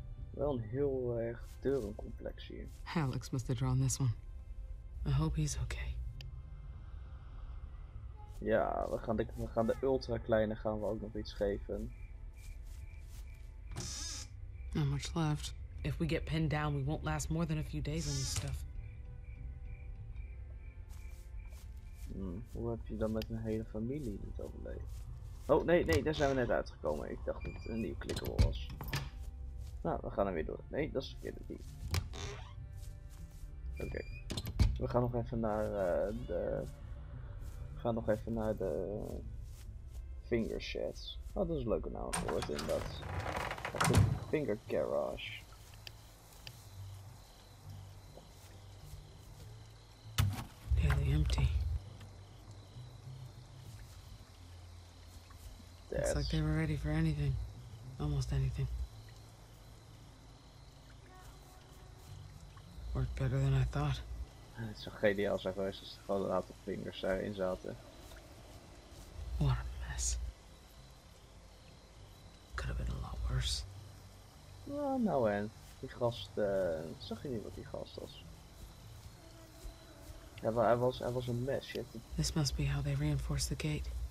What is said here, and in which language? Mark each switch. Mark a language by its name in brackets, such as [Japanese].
[Dutch] Wel een heel erg deurencomplex hier. [English] Alex must have drawn this one. I hope he's okay. [Dutch] Ja, we gaan de ultra kleine gaan we ook nog iets geven. [English] Not much left. If we get pinned down, we won't last more than a few days on this stuff. [Dutch] Hoe heb je dan met een hele familie niet overleefd? Oh nee, daar zijn we net uitgekomen. Ik dacht dat het een nieuw klikker was. Nou, we gaan er weer door. Nee, dat is verkeerde die. Oké. We gaan nog even naar de. We gaan nog even naar de fingershed. Oh, dat is een leuke naam voor het inderdaad. De finger garage. [English] Nearly empty. That's... It's like they were ready for anything. Almost anything. Worked better than I thought. [Dutch] Het zou geniaal zijn geweest als er gewoon een aantal vingers erin zaten. [English] What a mess. Could have been a lot worse. [Dutch] Oh, nou en. Die gast, zag je niet wat die gast was? Hij was een mess, shit. [English] This must be how they reinforce the gate.